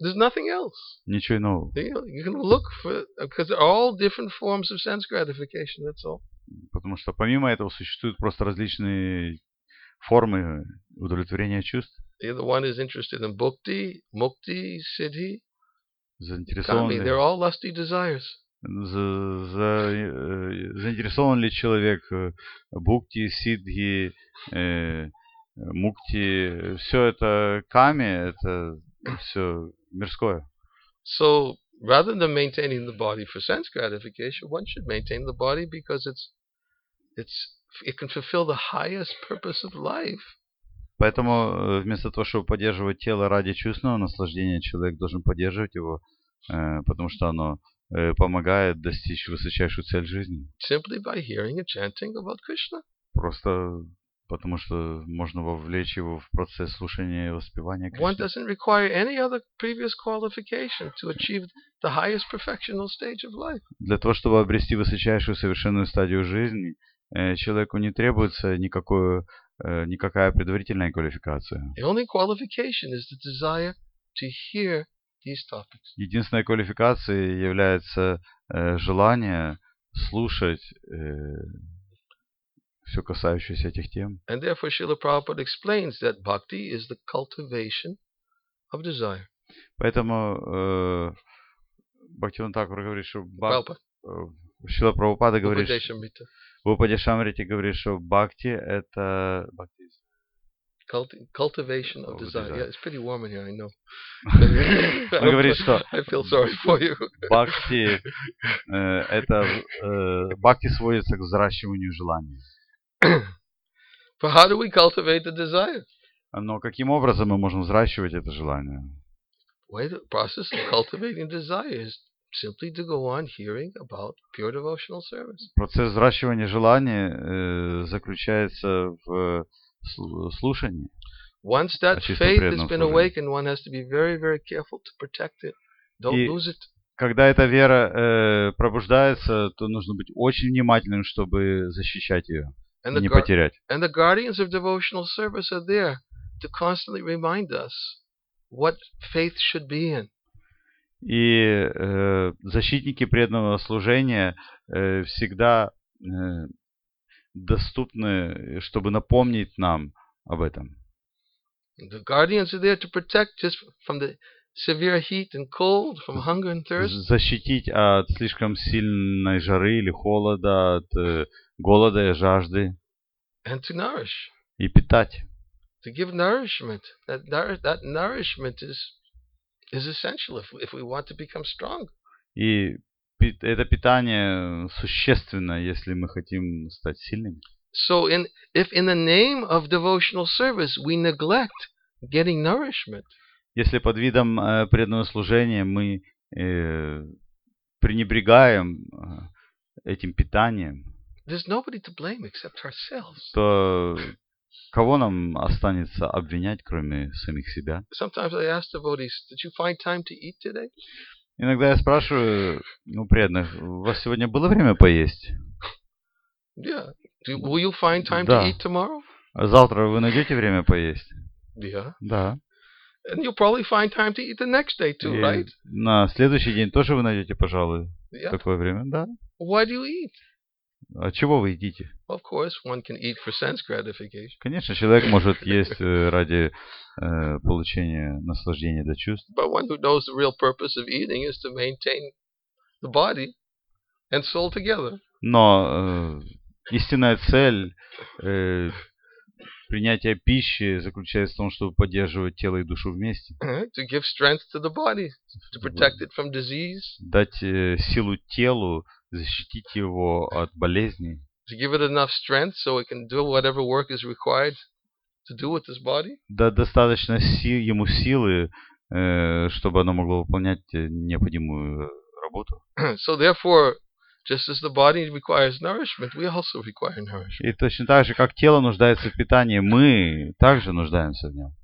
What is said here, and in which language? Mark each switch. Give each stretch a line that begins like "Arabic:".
English: There's nothing else.
Russian: Ничего иного.
English: You can look for, because there are all different forms of sense gratification, that's all.
Russian: Потому что помимо этого существуют просто различные формы удовлетворения чувств.
English: The other one is interested in bhakti, mukti, siddhi,
Russian: заинтересованный.
English: They're all lusty desires.
Russian: Заинтересован ли человек бхукти, сиддхи, мукти? Все это ками, это все мирское.
English: So rather than maintaining the body for sense gratification, one should maintain the body because it can fulfill the highest purpose of life.
Russian: Поэтому вместо того, чтобы поддерживать тело ради чувственного наслаждения, человек должен поддерживать его, потому что оно помогает достичь высочайшую цель жизни.
English: Simply by hearing and chanting about Krishna.
Russian: Просто потому что можно вовлечь его в процесс слушания и воспевания Кришны.
English: One doesn't require any other previous qualification to achieve the highest perfectional stage of life.
Russian: Для того, чтобы обрести высочайшую совершенную стадию жизни, человеку не требуется никакая предварительная квалификация.
English: The only qualification is the desire to hear.
Russian: Единственной квалификацией является желание слушать все касающееся этих тем.
English: And therefore Srila Prabhupada explains that bhakti is the cultivation of desire.
Russian: Поэтому Бхактивинода Тхакура говорит, что Шрила Прабхупада говорит, в Упадешамрите говорит, что бхакти это бхакти.
English: Cultivation of desire. Yeah, it's pretty warm in here, I know.
Russian: Он говорит, что
English: I feel sorry for you.
Russian: Бхакти это бхакти сводится к взращиванию желания.
English: But how do we cultivate the desire?
Russian: Но каким образом мы можем взращивать это желание?
English: Well, the process of cultivating desire is simply to go on hearing about pure devotional service.
Russian: Процесс взращивания желания заключается в слушание.
English: Once that faith has been awakened, one has to be very, very careful to protect it. Don't lose it.
Russian: Когда эта вера пробуждается, то нужно быть очень внимательным, чтобы защищать ее, не потерять.
English: And the guardians of devotional service are there to constantly remind us what faith should be in.
Russian: И защитники преданного служения всегда доступны, чтобы напомнить нам об этом.
English: The guardians are there to protect us from the severe heat and cold, from hunger and thirst.
Russian: Защитить от слишком сильной жары или холода, от голода и жажды.
English: And to nourish.
Russian: И питать.
English: To give nourishment. That nourishment is essential if we want to become strong.
Russian: И это питание существенно, если мы хотим стать сильными.
English: So if in the name of devotional service we neglect getting nourishment.
Russian: Если под видом преданного служения мы пренебрегаем этим питанием.
English: There's nobody to blame except ourselves.
Russian: То кого нам останется обвинять, кроме самих себя?
English: Sometimes I ask devotees, did you find time to eat today?
Russian: Иногда я спрашиваю, преданных, у вас сегодня было время поесть?
English: Yeah. Will you find time
Russian: да.
English: to eat tomorrow?
Russian: Завтра вы найдете время поесть?
English: Yeah.
Russian: Да.
English: And you'll probably find time to eat the next day too,
Russian: и
English: right?
Russian: На следующий день тоже вы найдете, пожалуй,
English: yeah.
Russian: такое время, да.
English: Why do you eat?
Russian: От чего вы едите?
English: Of course, one can eat for sense gratification.
Russian: Конечно, человек может есть ради получения наслаждения для чувств.
English: But one who knows the real purpose of eating is to maintain the body and soul together.
Russian: Но истинная цель принятия пищи заключается в том, чтобы поддерживать тело и душу вместе.
English: To give strength to the body, to protect it from disease.
Russian: Дать силу телу, защитить его от болезней.
English: To give it enough strength so it can do whatever work is required to do with this body.
Russian: Да, достаточно ему силы, чтобы оно могло выполнять необходимую работу.
English: So therefore, just as the body requires nourishment, we also require nourishment.
Russian: И точно так же, как тело нуждается в питании, мы также нуждаемся в нем.